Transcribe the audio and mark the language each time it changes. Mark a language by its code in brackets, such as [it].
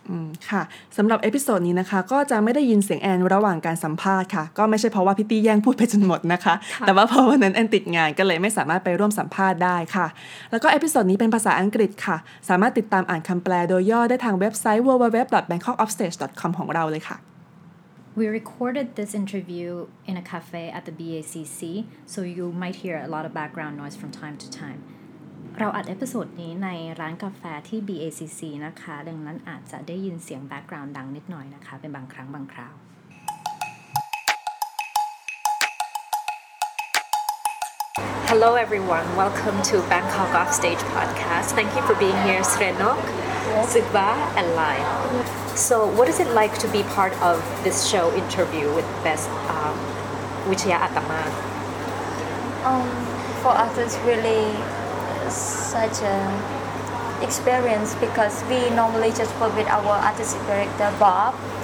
[th] อืมค่ะสำหรับเอพิโซดนี้นะคะก็จะไม่ได้ยินเสียงแอนระหว่างการสัมภาษณ์ค่ะก็ไม่ใช่เพราะว่าพี่ตี้แย่งพูดไปจนหมดนะคะ แต่ว่าเพราะวันนั้นแอนติดงานก็เลยไม่สามารถไปร่วมสัมภาษณ์ได้ค่ะแล้วก็เอพิโซดนี้เป็นภาษาอังกฤษค่ะสามารถติดตามอ่านคำแปลโดยย่อได้ทางเว็บไซต์ www.bangkokoffstage.com ของเราเลยค่ะ [en] We recorded this interview in a cafe at the BACC, so you might hear a lot of background noise from time to time. [th] เราอัดเอพิโซดนี้ในร้านกาแฟที่ BACC นะคะดังนั้นอาจจะได้ยินเสียง background ดังนิดหน่อยนะคะเป็นบางครั้งบางคราว [en] Hello everyone, welcome to Bangkok Offstage Podcast. Thank you for being here, Srenok, Sigva, and Lai. So what is it like to be part of this show interview with Best Wichaya Attamad? For us it's really such an experience because we normally just work with our artistic director Bob.